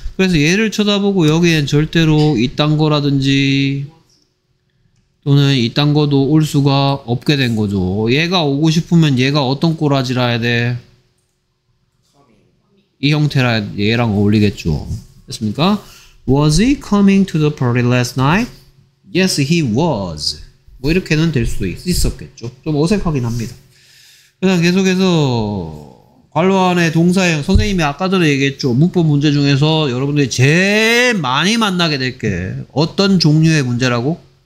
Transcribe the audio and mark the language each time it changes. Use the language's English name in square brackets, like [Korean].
[Korean] 그래서 얘를 쳐다보고 여기엔 절대로 이딴 거라든지 또는 이딴 거도 올 수가 없게 된 거죠. 얘가 오고 싶으면 얘가 어떤 꼬라지라 해야 돼? 이 형태라 얘랑 어울리겠죠. 됐습니까? [English] Was he coming to the party last night? Yes, he was. [Korean] 뭐 이렇게는 될 수도 있었겠죠. 좀 어색하긴 합니다. 그다음 계속해서 관로안의 동사형 선생님이 아까 전에 얘기했죠. 문법 문제 중에서 여러분들이 제일 많이 만나게 될 게 어떤 종류의 문제라고?